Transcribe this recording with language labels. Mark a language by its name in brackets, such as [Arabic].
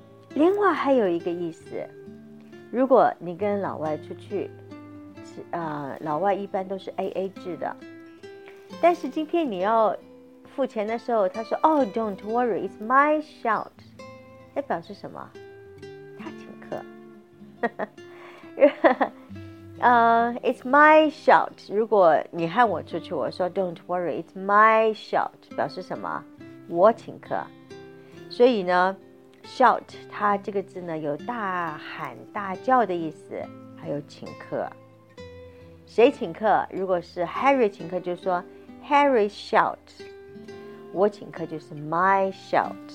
[Chinese] 另外还有一个意思，如果你跟老外出去，老外一般都是 AA 制的，但是今天你要付钱的时候，他说 [English] Oh, don't worry, it's my shout， [Chinese] 那表示什么？他请客。 [English] It's my shout， [Chinese] 如果你喊我出去，我说 [English] Don't worry, it's my shout， [Chinese] 表示什么？我请客。所以呢 shout 它这个字呢有大喊大叫的意思，还有请客。谁请客？如果是 Harry 请客，就说 [English] Harry shout。 [Chinese] 我请客就是 [English] my shout。